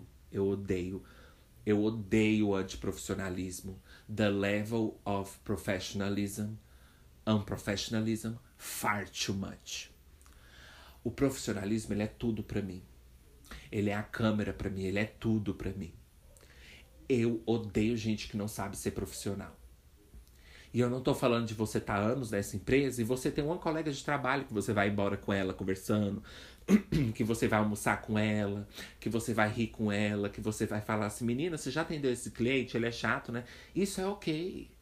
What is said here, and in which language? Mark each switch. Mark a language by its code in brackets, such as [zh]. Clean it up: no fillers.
[pt] Eu odeio o antiprofissionalismo. [en] The level of professionalism, unprofessionalism, far too much. [pt] O profissionalismo, ele é tudo pra mim. Ele é a câmera pra mim, ele é tudo pra mim. Eu odeio gente que não sabe ser profissional. E eu não tô falando de você tá anos nessa empresa e você tem uma colega de trabalho que você vai embora com ela conversando, que você vai almoçar com ela, que você vai rir com ela, que você vai falar assim, menina, você já atendeu esse cliente, ele é chato, né? Isso é ok.